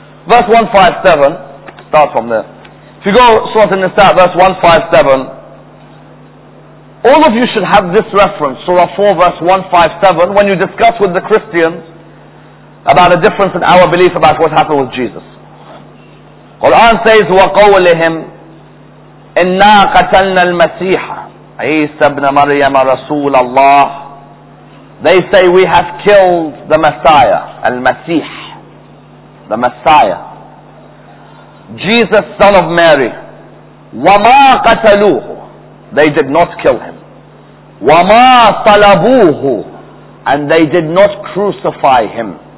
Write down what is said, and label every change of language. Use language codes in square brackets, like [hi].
[en] Verse 157, start from there. If you go Surah An-Nisa, verse 157, all of you should have this reference, Surah 4 verse 157, when you discuss with the Christians about a difference in our belief about what happened with Jesus. Quran says, [ar] وَقَوْلِهِمْ إِنَّا قَتَلْنَا الْمَسِيحَ عِيسَى بْنَ مَرْيَمَ رَسُولَ اللَّهِ. [en] They say, we have killed the Messiah, Al-Masih, the Messiah, Jesus, son of Mary. [ar] وَمَا قَتَلُوهُ. [en] They did not kill him. [ar] وَمَا طَلَبُوهُ [en] And they did not crucify him.